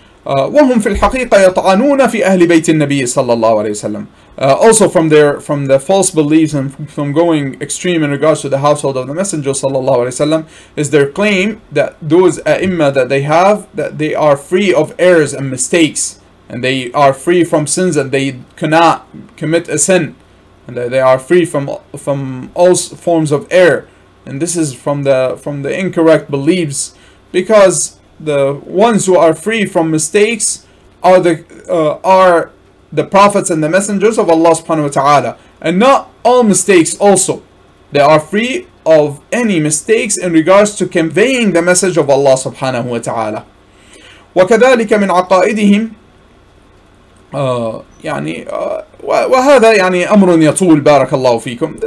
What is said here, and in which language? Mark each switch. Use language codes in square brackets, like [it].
[ar] وهم في الحقيقة يطعنون في أهل بيت النبي صلى الله عليه وسلم. [en] Also from the false beliefs and from going extreme in regards to the household of the Messenger sallallahu alaihi wasallam is their claim that those a'imma that they have, that they are free of errors and mistakes, and they are free from sins, and they cannot commit a sin, and that they are free from all forms of error. And this is from the incorrect beliefs, because the ones who are free from mistakes are the prophets and the messengers of Allah subhanahu wa ta'ala. And not all mistakes also. They are free of any mistakes in regards to conveying the message of Allah subhanahu wa ta'ala. [ar] وكذلك من عقائدهم وهذا أمر يطول بارك الله فيكم.